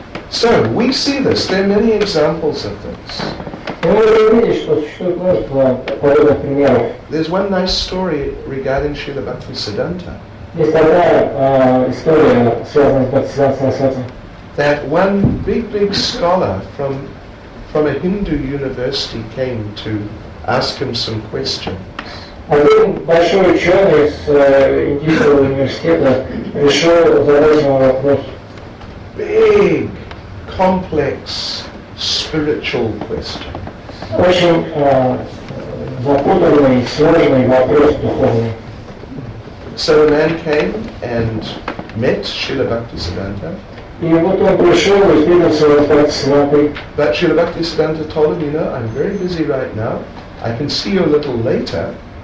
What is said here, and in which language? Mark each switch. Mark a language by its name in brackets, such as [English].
[English] So we see this, there are many examples of this. There's one nice story regarding Srila Bhaktisiddhanta. [Russian] Есть такая история, связанная с Бхактисиддхантой Сарасвати. [English] That one big scholar from a Hindu university came to ask him some questions. [Russian] Один большой ученый из индийского университета решил задать ему вопрос. [English] Big, complex, spiritual question. [Russian] Очень запутанный, сложный вопрос духовный. [English] So a man came and met Srila Bhaktisiddhanta. But Srila Bhaktisiddhanta told him, you know, I'm very busy right now. I can see you a little later.